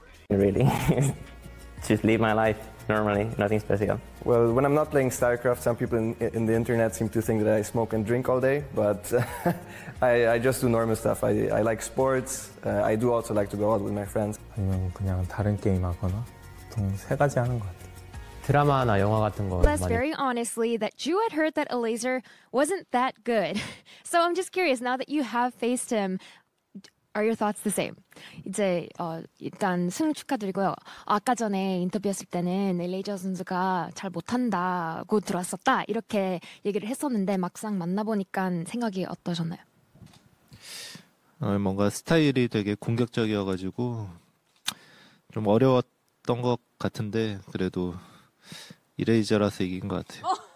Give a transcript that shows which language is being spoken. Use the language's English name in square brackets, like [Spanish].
[English] Really? Just live my life normally, nothing special. Well, when I'm not playing StarCraft, some people in the internet seem to think that I smoke and drink all day, but I just do normal stuff. I like sports. I do also like to go out with my friends. [Korean] 아니면 그냥 다른 게임 하거나 보통 세 가지 하는 것 같아. 드라마나 영화 같은 거 Let's 많이... [English] very honestly that you had heard that Elazer wasn't that good. So I'm just curious, now that you have faced him, Are your thoughts the same? [Korean] 이제 일단 승 축하드리고요. 아까 전에 인터뷰했을 때는 레이저 선수가 잘 못한다고 들었었다 이렇게 얘기를 했었는데 막상 만나보니까 생각이 어떠셨나요? 뭔가 스타일이 되게 공격적이어가지고 좀 어려웠던 것 같은데 그래도 이레이저라서 이긴 것 같아요.